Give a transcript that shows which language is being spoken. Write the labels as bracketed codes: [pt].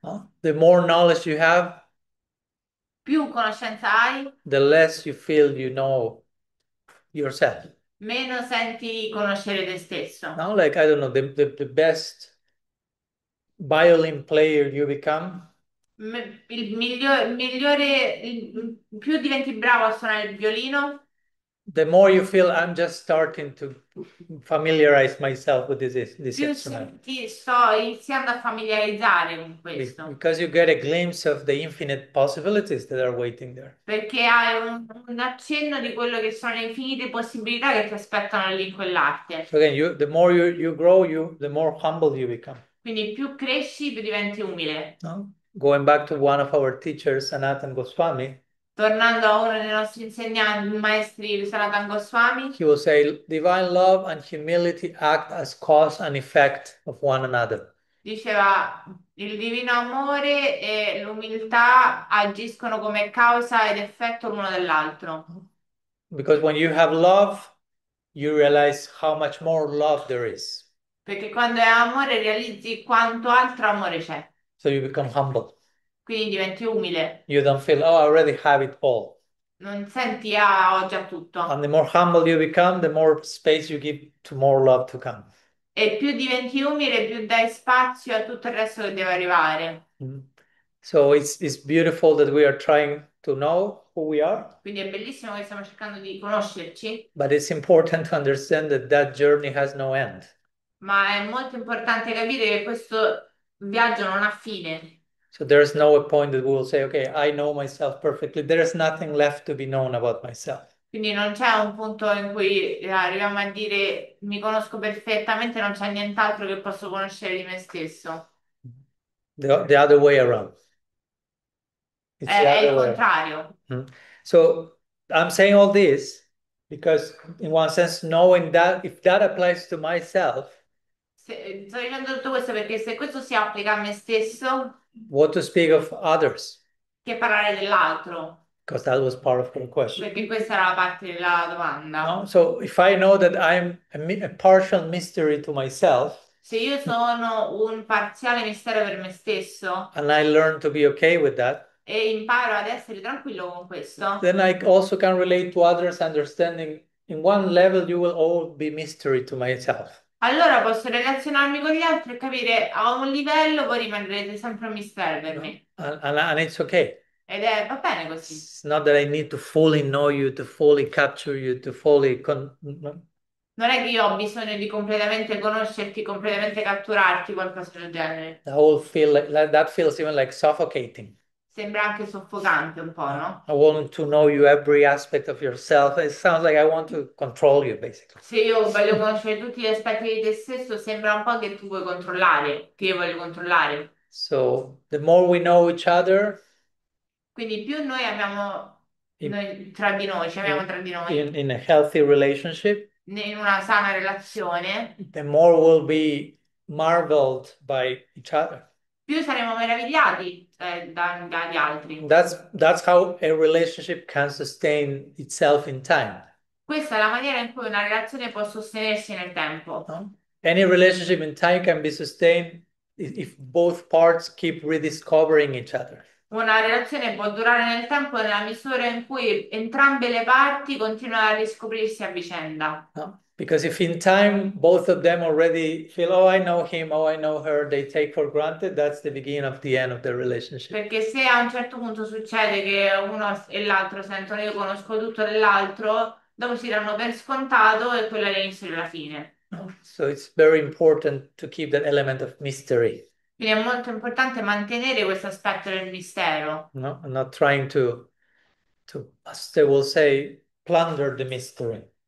[en] No? The more knowledge you have, [it] Più conoscenza hai, [en] the less you feel you know yourself. [it] meno senti conoscere te stesso. [en] Now, like, I don't know, the best violin player you become. [it] Il migliore, più diventi bravo a suonare il violino, [en] The more you feel, I'm just starting to familiarize myself with this [it] più [en] instrument. [it] ti sto iniziando a familiarizzare con questo. [en] Because you get a glimpse of the infinite possibilities that are waiting there. [it] Perché hai un accenno di quello che sono le infinite possibilità che ti aspettano lì in quell'arte. [en] So again, the more you grow, the more humble you become. [it] Quindi più cresci, più diventi umile. [en] No? Going back to one of our teachers, Sanatana Goswami, [it] Tornando a uno dei nostri insegnanti, maestri Sanatana Goswami, [en] he will say, divine love and humility act as cause and effect of one another. [it] diceva: il divino amore e l'umiltà agiscono come causa ed effetto l'uno dell'altro. [en] Because when you have love, you realize how much more love there is. [it] Perché quando è amore realizzi quanto altro amore c'è. [en] So you become humble. [it] Quindi diventi umile. [en] You don't feel, oh, I already have it all. [it] Non senti, ah, ho già tutto. [en] And the more humble you become, the more space you give to more love to come. [it] E più diventi umile, più dai spazio a tutto il resto che deve arrivare. [en] So it's beautiful that we are trying to know who we are, [it] Quindi è bellissimo che stiamo cercando di conoscerci. [en] but it's important to understand that that journey has no end. [it] Ma è molto importante capire che questo viaggio non ha fine. [en] So there is no point that we will say, okay, I know myself perfectly. There is nothing left to be known about myself. [it] Quindi non c'è un punto in cui arriviamo a dire mi conosco perfettamente, non c'è nient'altro che posso conoscere di me stesso. [en] The other way around. It's the [it] È il [en] other way. [it] contrario. [en] So I'm saying all this because, in one sense, knowing that if that applies to myself, [it] Sto dicendo tutto questo perché se questo si applica a me stesso, [en] what to speak of others? [it] che parlare dell'altro? [en] Because that was part of the question. [it] Perché questa era la parte della domanda. [en] No? So if I know that I'm a partial mystery to myself, [it] Se io sono un parziale mistero per me stesso [en] and I learn to be okay with that, [it] e imparo ad essere tranquillo con questo, [en] then I also can relate to others, understanding in one level you will all be mystery to myself. [it] allora posso relazionarmi con gli altri e capire a un livello voi rimarrete sempre un mistero per me. [en] No? And it's okay. [it] Ed è va bene così. [en] It's not that I need to fully know you, to fully capture you, to fully con [it] Non è che io ho bisogno di completamente conoscerti, completamente catturarti, qualcosa del genere. [en] That will feel like, that feels even like suffocating. [it] Sembra anche soffocante un po', [en] I [it] no? [en] want to know you, every aspect of yourself. It sounds like I want to control you, basically. [it] Se io voglio conoscere tutti gli aspetti di te stesso, sembra un po' che tu vuoi controllare, che io voglio controllare. [en] So, the more we know each other, [it] Quindi più noi abbiamo, noi tra di noi, ci abbiamo tra di noi. [en] in a healthy relationship, [it] In una sana relazione, [en] the more we'll be marveled by each other. [it] più saremo meravigliati dagli altri. Questa [en] That's how a relationship can sustain itself in time. [it] è la maniera in cui una relazione può sostenersi nel tempo. [en] No? Any relationship in time can be sustained if both parts keep rediscovering each other. [it] Una relazione può durare nel tempo nella misura in cui entrambe le parti continuano a riscoprirsi a vicenda. [en] Because if in time both of them already feel, oh, I know him, oh, I know her, they take for granted, that's the beginning of the end of the relationship. [it] Perché se a un certo punto succede che uno e l'altro sentono io conosco tutto dell'altro, dopo si danno per scontato e quello è l'inizio della fine. [en] So it's very important to keep that element of mystery. [it] Quindi è molto importante mantenere questo aspetto del mistero. [en] No, I'm not trying to, as they will say, plunder the mystery.